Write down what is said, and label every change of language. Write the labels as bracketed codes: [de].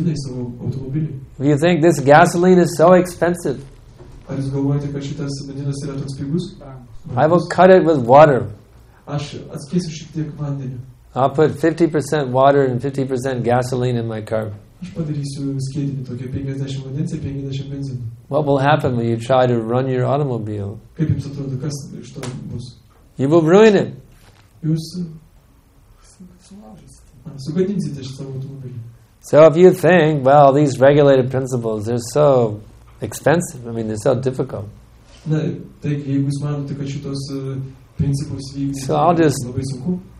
[en] You think this gasoline is so expensive. I will cut it with water. I'll put 50% water and 50% gasoline in my car. [lt] Aš padarysiu skiedinį tokį 50 vandens ir 50 benzino. [en] What will happen when you try to run your automobile? [lt] Kaip jums atrodo, kas iš to bus? [en] You will ruin it. [lt] Jūs sugadinsite šitą automobilį. [en] So if you think, well, these regulated principles, they're so expensive, I mean, they're so difficult. [lt] Na, taigi, jeigu jūs manote, kad šitos principus vykdyti labai sunku.